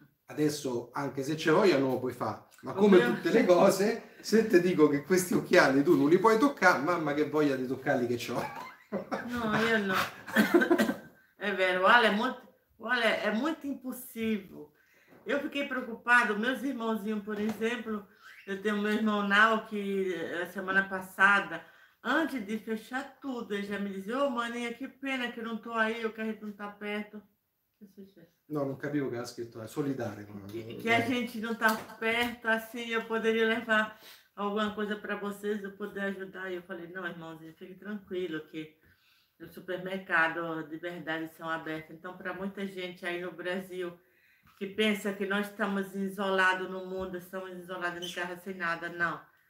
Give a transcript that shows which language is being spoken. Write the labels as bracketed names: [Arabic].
[Italian] Adesso, anche se ce voglio, non lo puoi fare. Ma come tutte le cose, se ti dico che questi occhiali tu non li puoi toccare, mamma che voglia di toccarli che ce l'ho. No, io no. È vero, Ale, è molto impossibile. [Portuguese] Eu fiquei preocupado, meus irmãozinhos, por exemplo, eu tenho meu irmão Nau que semana passada, antes de fechar tudo, ele já me disse, ô, maninha, que pena que eu não tô aí, o carrinho não tá perto. Que [Italian] No, non capivo che ha scritto, è solidare. [Portuguese] a gente não tá perto, assim, eu poderia levar alguma coisa para vocês, eu poder ajudar. E eu falei, não, irmãozinho, fique tranquilo que no supermercado de verdade são abertos. Então, para muita gente aí no Brasil que pensa que nós estamos isolados no mundo, estamos isolados em casa sem nada, não.